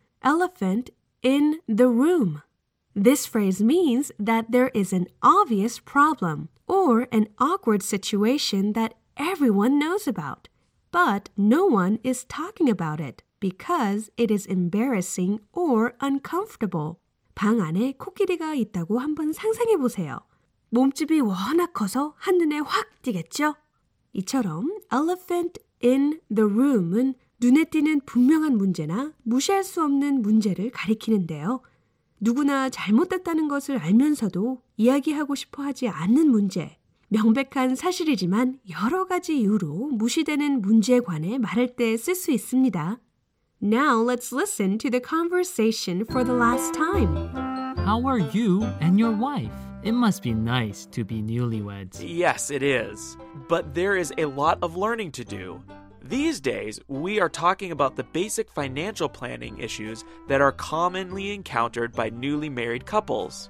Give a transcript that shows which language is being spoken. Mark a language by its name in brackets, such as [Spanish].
[English] Elephant in the room. This phrase means that there is an obvious problem or an awkward situation that everyone knows about, but no one is talking about it because it is embarrassing or uncomfortable. [Korean] 방 안에 코끼리가 있다고 한번 상상해 보세요. 몸집이 워낙 커서 한눈에 확 띄겠죠? 이처럼 elephant in the room은 눈에 띄는 분명한 문제나 무시할 수 없는 문제를 가리키는데요. 누구나 잘못됐다는 것을 알면서도 이야기하고 싶어 하지 않는 문제, 명백한 사실이지만 여러 가지 이유로 무시되는 문제에 관해 말할 때 쓸 수 있습니다. [English] Now let's listen to the conversation for the last time. How are you and your wife? It must be nice to be newlyweds. Yes, it is. But there is a lot of learning to do. These days, we are talking about the basic financial planning issues that are commonly encountered by newly married couples.